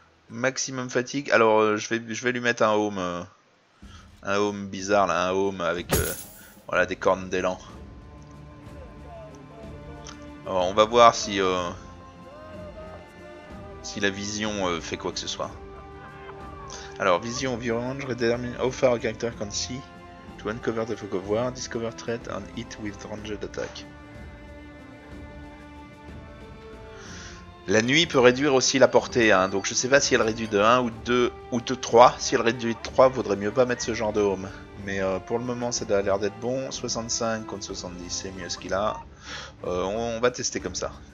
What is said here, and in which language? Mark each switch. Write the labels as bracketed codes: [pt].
[fr] Maximum fatigue. Alors je vais lui mettre un home bizarre là, un home avec voilà des cornes d'élan. On va voir si la vision fait quoi que ce soit. [en] Alors vision view range redetermine how far a character can see to uncover the fog of war, discover threat and hit with ranged attack. [fr] La nuit peut réduire aussi la portée, hein. Donc je sais pas si elle réduit de 1 ou de 2 ou de 3. Si elle réduit de 3, vaudrait mieux pas mettre ce genre de home. Mais pour le moment, ça a l'air d'être bon. 65 contre 70, c'est mieux ce qu'il a. On va tester comme ça.